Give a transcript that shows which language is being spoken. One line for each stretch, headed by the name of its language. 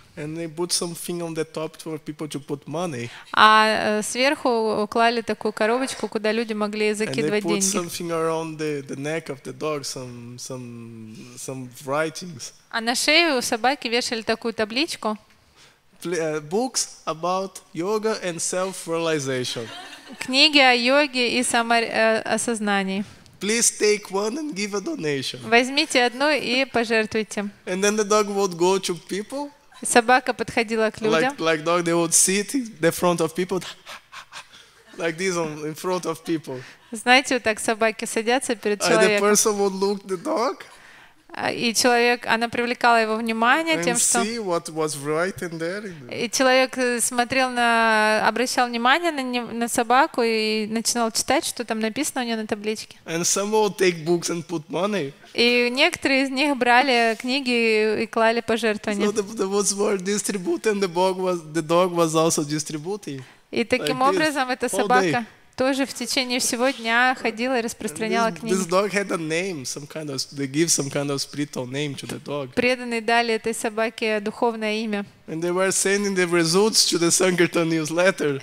English: And they put something on the top for people to put money.
Russian: А сверху клали такую коробочку, куда люди могли закидывать деньги.
English: And they put something around the neck of the dog, some writings.
Russian: А на шею у собаки вешали такую табличку.
English: Books about yoga and self-realization.
Russian: Книги о йоге и самоосознании.
English: Please take one and give a donation.
Russian: Возьмите одну и пожертвуйте.
English: And then the dog would go to people.
Russian: Собака подходила к людям.
English: Like dog, they would sit in the front of people. like this on in front of people.
Ukrainian: Знаєте, так собаки садяться перед чоловіком.
English: And the person would look the dog.
Russian: И человек, она привлекала его внимание тем, что...
English: And see what was written there.
Russian: И человек смотрел на... обращал внимание на собаку и начинал читать, что там написано у нее на табличке.
English: And some would take books and put money.
Russian: И некоторые из них брали книги и клали пожертвования.
English: So the books were distributed and the dog was also distributed.
Russian: И таким like образом эта собака... тоже в течение всего дня ходила и распространяла книги.
English: This dog had a name, some kind of, they give some kind of spiritual name to the dog.
Russian: Преданные дали этой собаке духовное имя.
English: And they were sending the results to the Sankirtan newsletter.